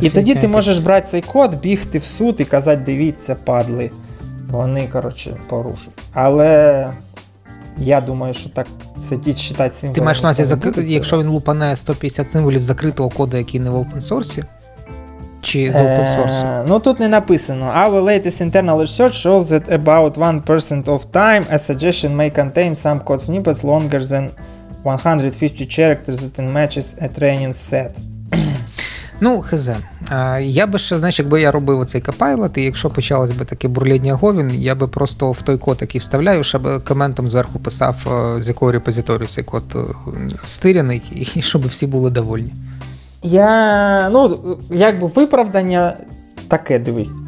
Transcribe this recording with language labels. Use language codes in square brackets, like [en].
[uk] І тоді ти можеш брати цей код, бігти в суд і казати, дивіться, падли, вони, коротше, порушують. Але... Я думаю, що так сидіть, читати символи. Ти маєш на увазі, якщо він лупане 150 символів закритого коду, який не в опенсорсі? Чи з опенсорсу? Ну, тут не написано. [en] Our latest internal research shows that about 1% of time a suggestion may contain some code snippets longer than 150 characters that matches a training set. [uk] Ну, хз. Я би ще, знаєш, якби я робив оцей копайлот, і якщо почалось би таке бурління говін, я би просто в той код, який вставляю, щоб коментом зверху писав, з якого репозиторію цей код стиряний, і щоб всі були довольні. Я, ну, якби виправдання таке, дивись.